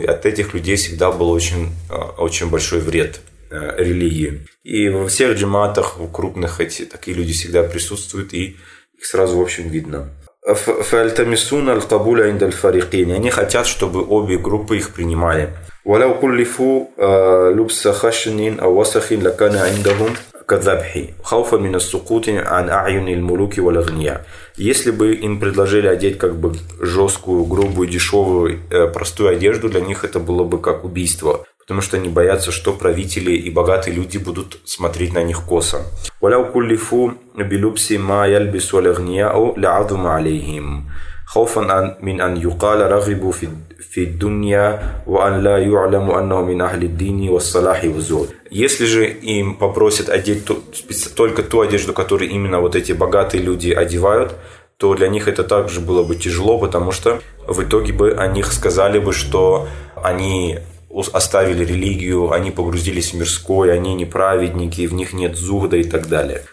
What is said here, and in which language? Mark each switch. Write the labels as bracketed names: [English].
[Russian] И от этих людей всегда был очень большой вред религии. И во всех джематах, в крупных, такие люди всегда присутствуют, и их сразу, в общем, видно. [Arabic] فالتمسون القبول عند الفريقين, يعني [Russian] хотят, чтобы обе группы их принимали. [Arabic] ولو كلفوا لبس خشن أو وسخ لكان عندهم كذبح خوفا من السقوط عن أعين الملوك والأغنياء. [Russian] Если бы им предложили одеть как бы жесткую, грубую, дешевую, простую одежду, для них это было бы как убийство, потому что они боятся, что правители и богатые люди будут смотреть на них косо. [Arabic] ولو كلفوا بلبس ما يلبس الأغنياء لعظم عليهم خوفا من أن يقال رغبوا في الدنيا وأن لا يعلم أنه من أهل الدين والصلاح والزهد. [Russian] Если же им попросят одеть только ту одежду, которую именно вот эти богатые люди одевают, то для них это также было бы тяжело, потому что в итоге бы о них сказали бы, что они оставили религию, они погрузились в мирское, они неправедники, в них нет зухда и так далее.